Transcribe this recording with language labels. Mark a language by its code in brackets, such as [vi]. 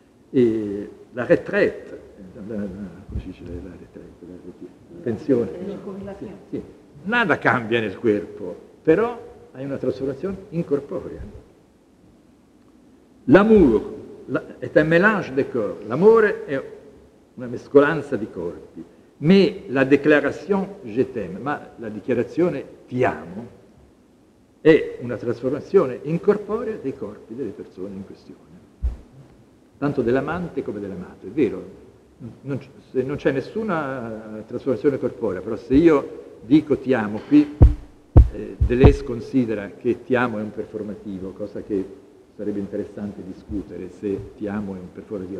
[it] E la retraite, come si dice la retraite, la pensione, sì. Nada cambia nel corpo, però hai una trasformazione incorporea. [fr] L'amour est un mélange de corps. [it] L'amore è una mescolanza di corpi. [fr] Mais la déclaration je t'aime, [it] ma la dichiarazione ti amo, è una trasformazione incorporea dei corpi delle persone in questione. Tanto dell'amante come dell'amato, è vero. Non c'è nessuna trasformazione corporea, però se io dico ti amo qui, Deleuze considera che ti amo è un performativo, cosa che sarebbe interessante discutere se ti amo è un performativo.